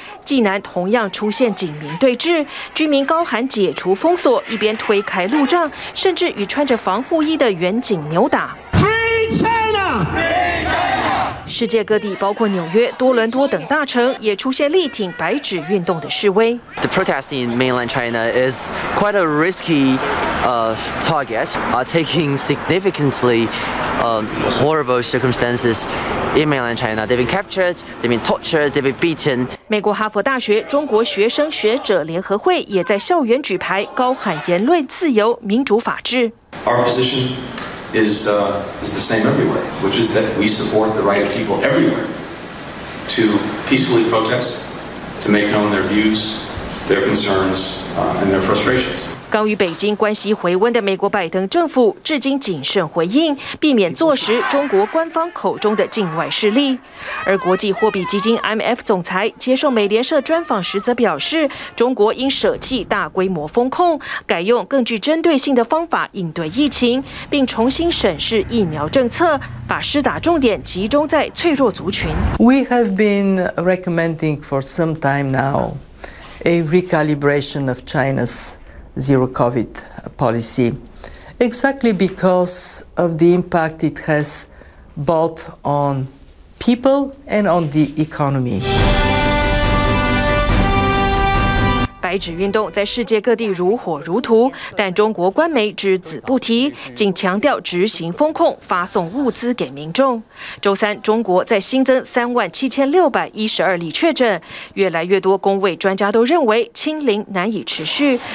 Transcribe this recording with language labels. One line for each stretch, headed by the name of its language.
Chinese: 济南同样出现警民对峙，居民高喊解除封锁，一边推开路障，甚至与穿着防护衣的远警扭打。
English: Free China!
Chinese: 世界各地，包括纽约、多伦多等大城，也出现力挺白纸运动的示威。
English: The protest in mainland China is quite a risky, target. Taking significantly, horrible circumstances in mainland China. They've been captured, they've been tortured, they've been beaten.
Chinese: 美国哈佛大学中国学生学者联合会也在校园举牌，高喊言论自由、民主、法治。
English: Our position. Is the same everywhere, which is that we support the right of people everywhere to peacefully protest, to make known their views, their concerns, and their frustrations.
Chinese: 刚与北京关系回温的美国拜登政府至今谨慎回应，避免坐实中国官方口中的境外势力。而国际货币基金 IMF 总裁接受美联社专访时则表示，中国应舍弃大规模封控，改用更具针对性的方法应对疫情，并重新审视疫苗政策，把施打重点集中在脆弱族群。
English: We have been recommending for some time now a recalibration of China's zero COVID policy, exactly because of the impact it has both on people and on the economy.
Chinese: 白纸运动在世界各地如火如荼，但中国官媒只字不提，仅强调执行封控，发送物资给民众。周三，中国在新增37612例确诊，越来越多公卫专家都认为清零难以持续。